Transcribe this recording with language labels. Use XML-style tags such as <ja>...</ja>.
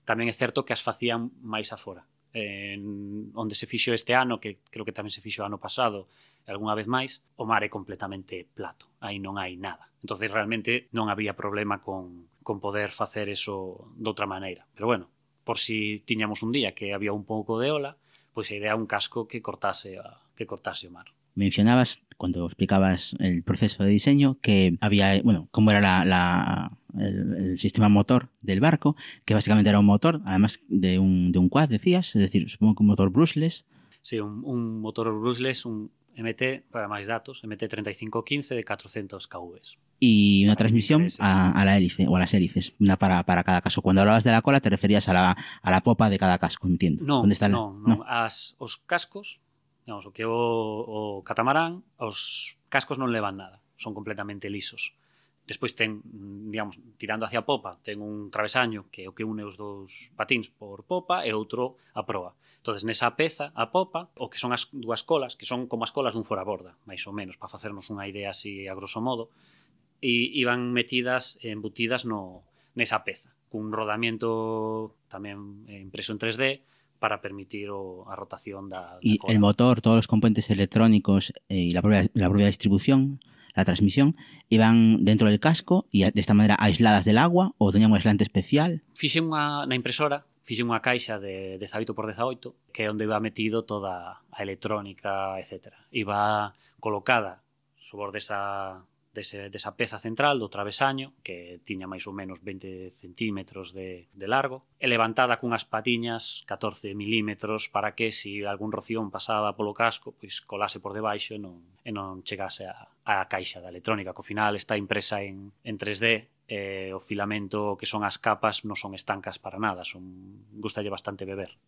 <gl>Tamén é certo que as facían máis afora. Onde se fixo este ano, que creo que tamén se fixo ano pasado, algunha vez máis, o mar é completamente plato. Aí non hai nada. Entón, realmente, non había problema con poder facer eso doutra maneira. Pero, bueno, por si tiñamos un día que había un pouco de ola, pois a idea é un casco que cortase o mar.</gl> <es>Mencionabas, cuando explicabas el proceso de diseño, que había, bueno, cómo era el sistema motor del barco, que básicamente era un motor, además de un quad, decías, es decir, supongo que un motor brushless. Sí, un motor brushless, un MT, para más datos, MT3515 de 400 kW. Y una transmisión a la hélice o a las hélices, una para cada caso. Cuando hablabas de la cola, te referías a la popa de cada casco, entiendo.</es> <gl>No, ¿dónde está no. Os cascos, digamos, o catamarán, os cascos non levan nada, son completamente lisos. Despois ten, digamos, tirando hacia a popa, ten un travesaño que é o que une os dous patins por popa e outro a proa. Entonces nesa peza, a popa, o que son as dúas colas, que son como as colas dun foraborda, máis ou menos, para facernos unha idea así a grosso modo, e iban metidas, embutidas no nesa peza, cun rodamiento tamén impreso en 3D, para permitir a rotación da cola.</gl> <es>Y el motor, todos los componentes electrónicos y la propia distribución, la transmisión, iban dentro del casco y de esta manera aisladas del agua o tenían un aislante especial.</es> <gl>Fixe na impresora, fixe unha caixa de 18x18, que é onde iba metido toda a electrónica, etc. Iba colocada sobre desa peza central do travesaño, que tiña máis ou menos 20 centímetros de largo, e levantada cunhas patiñas 14 milímetros para que, se algún roción pasaba polo casco, pois colase por debaixo e non chegase a caixa da electrónica, que ao final está impresa en 3D, o filamento, que son as capas, non son estancas para nada, gustalle bastante beber.</gl>